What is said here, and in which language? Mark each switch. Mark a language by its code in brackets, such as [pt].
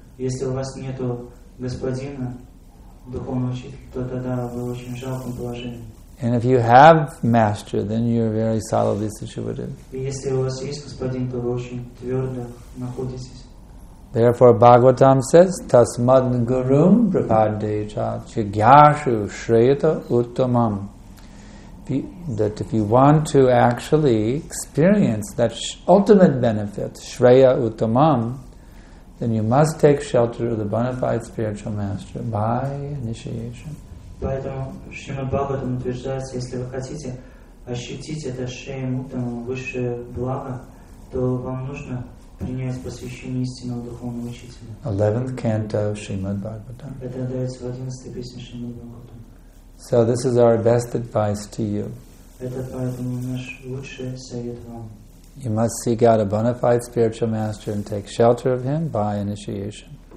[ru] Если у вас нету господина, духовного учителя, то тогда вы в очень жалком положении. [en] And if you have master, then you're very solidly situated. [ru] И если у вас есть господин, то вы очень твердо находитесь. [en] Therefore, Bhagavatam says, [sa] Tasmad Gurum Prapadeja Chigyashu Shreyata Uttamam. [en] That if you want to actually experience that ultimate benefit, Shreya Uttamam, then you must take shelter of the bona fide spiritual master by initiation. [ru] Поэтому Шрима Бхагаватам утверждается, если вы хотите ощутить это Шрея Муттам, высшее благо, то вам нужно принять посвящение истинного духовного учителя. [en] 11th canto of Шримад Бхагаватам. [ru] Это дается в 11 песне Шримад Бхагаватам. [en] So this is our best advice to you. [ru] Это поэтому наш лучший совет вам. [en] You must seek out a bona fide spiritual master and take shelter of him by initiation.